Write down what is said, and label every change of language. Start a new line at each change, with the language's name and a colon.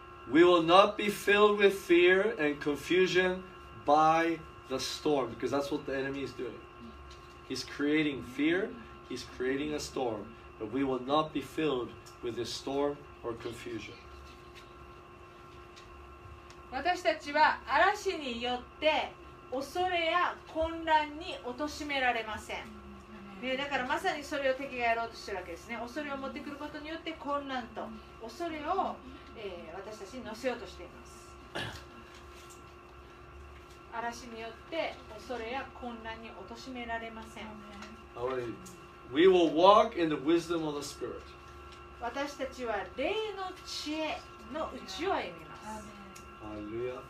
English: We will not be filled with fear and confusion by the storm, because that's what the enemy is doing. He's creating fear, he's creating a storm, but we will not be filled with this storm or confusion.
Japanese: 私たちは嵐によって恐れや混乱に貶められません、ね、だからまさにそれを敵がやろうとしているわけですね。恐れを持ってくることによって混乱と恐れを、私たちに乗せようとしています。嵐によって恐れや混乱に貶められません。
English: We will walk in the wisdom of the spirit.
Japanese: 私たちは霊の知恵の内を歩みます。